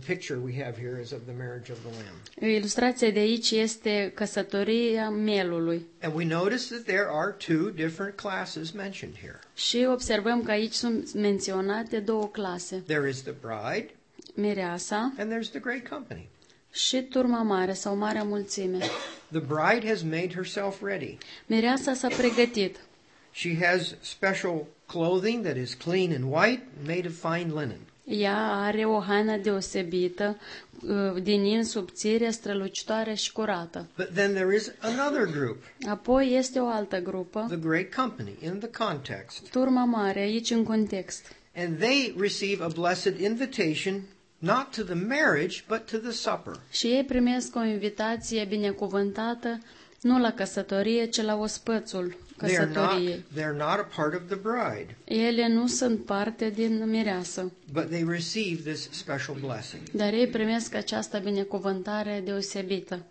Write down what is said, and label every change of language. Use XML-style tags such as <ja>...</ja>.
<en>picture we have here is of the marriage of the Lamb.</en> <ro>Ilustrația de aici este căsătoria mielului.</ro> <en>And we notice that there are two different classes mentioned here.</en> <ro>Și observăm că aici sunt menționate două clase.</ro> <en>There is the bride.</en> <ro>Mireasa.</ro> <en>And there's the great company.</en> <ro>Și turma mare sau marea mulțime.</ro> <en>The bride has made herself ready.</en> <ro>Mireasa s-a pregătit.</ro> <en>She has special clothing that is clean and white, made of fine linen.</en> <ro>Ea are o haină deosebită, din in subțire, strălucitoare și curată.</ro> <en>But then there is another group.</en> <ro>Apoi este o altă grupă.</ro> <en>The great company, in the context.</en> <ro>Turma mare, aici în context.</ro> <en>And they receive a blessed invitation. Not to the marriage, but to the supper.</en> <ro>Și ei primesc o invitație binecuvântată, nu la căsătorie, ci la ospățul căsătoriei.</ro> <en>They're not a part of the bride.</en> <ro>Ele nu sunt parte din mireasă.</ro> <en>But they receive this special blessing.</en> <ro>Dar ei primesc această binecuvântare deosebită.</ro>